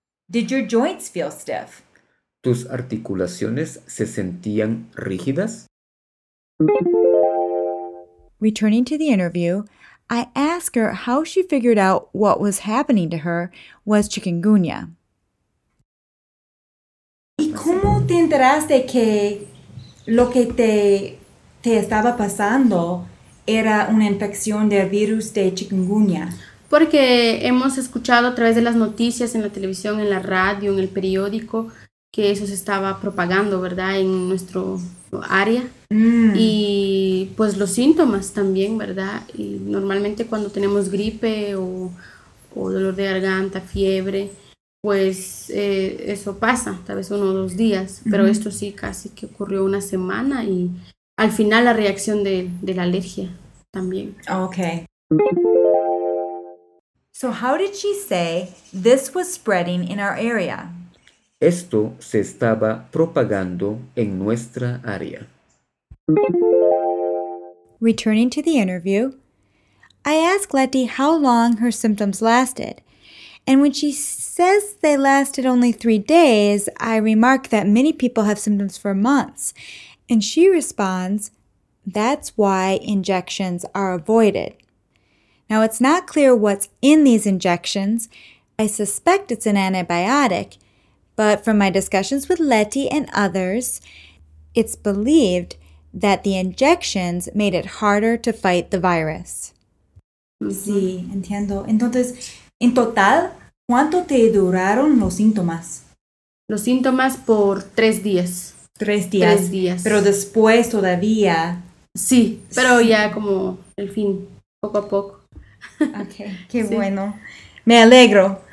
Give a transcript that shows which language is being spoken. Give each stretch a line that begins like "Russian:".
English: Did your joints feel stiff?
Spanish: ¿Tus articulaciones se sentían rígidas?
English: Returning to the interview, I ask her how she figured out what was happening to her was chikungunya.
Spanish: ¿Y cómo te enteraste que lo que te estaba pasando era una infección del virus de chikungunya? Porque hemos escuchado a través de las noticias en la televisión, en la radio, en el periódico, que eso se estaba propagando, ¿verdad?, en nuestro área. Y pues los síntomas también, ¿verdad? Y normalmente cuando tenemos gripe o dolor de garganta, fiebre, pues eso pasa, tal vez 1 o 2 días. Pero esto sí casi que ocurrió 1 semana y... al final, la reacción de la alergia también. Okay.
English: So how did she say this was spreading in our area?
Spanish: Esto se estaba propagando en nuestra área.
English: Returning to the interview, I asked Letty how long her symptoms lasted, And when she says they lasted only 3 days, I remark that many people have symptoms for months. And she responds, that's why injections are avoided. Now, it's not clear what's in these injections. I suspect it's an antibiotic. But from my discussions with Letty and others, it's believed that the injections made it harder to fight the virus.
Spanish: Sí, entiendo. Entonces, en total, ¿cuánto te duraron los síntomas? Los síntomas por 3 días. 3 días. 3 días. Pero después todavía. Sí, pero sí. Ya como el fin, poco a poco. Okay, qué sí. Bueno. Me alegro.